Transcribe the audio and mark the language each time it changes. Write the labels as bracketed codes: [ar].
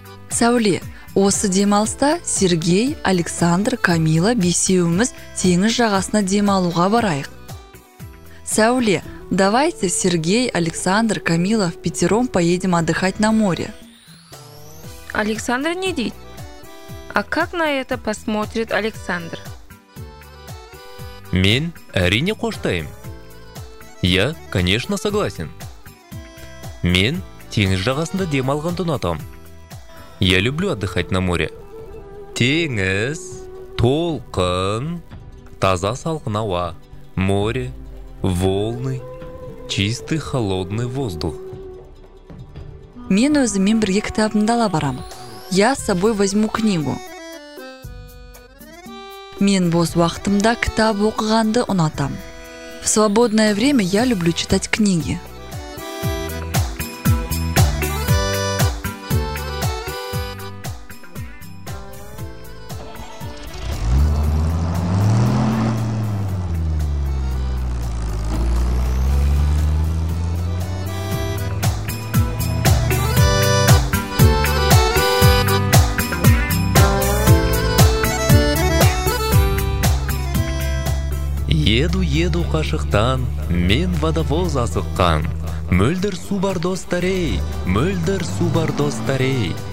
[kk] Сәуле, осы демалыста Сергей, Александр, Камила бесеуіміз теңіз жағасына демалуға барайық. [ru] Сәуле, давайте Сергей, Александр, Камила впятером поедем отдыхать на море. [kk] Александр не дейді. [ru] А как на это посмотрит Александр? [kk] Мен әрине қоштайым. [ru] Я, конечно, согласен. [kk] Мен теңіз жағасында демалғанды ұнатам. [ru] Я люблю отдыхать на море. [kk] Теңіз, толқын, таза салқын ауа, [ru] море, волны, чистый холодный воздух. [kk] Мен өзімен бірге кітабымды ала барам. [ru] Я с собой возьму книгу. [kk] Мен бос уақытымда кітап оқығанды ұнатам. [ru] В свободное время я люблю читать книги. [kk] Еду-еду қашықтан, мен водовоз асыққан. Мөлдір су бар достарей, мөлдір су бар достарей.